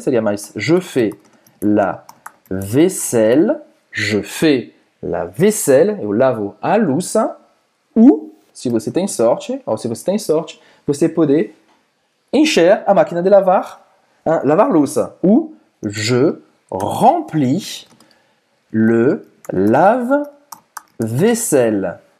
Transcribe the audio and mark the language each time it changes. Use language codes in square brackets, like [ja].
[fr] Seria mais je fais la vaisselle. Je fais la vaisselle. [pt] Eu lavo a louça. Ou, se você tem sorte, você pode encher a máquina de lavar. Hein, lavar louça. [fr] Ou, je remplis le lave-vaisselle.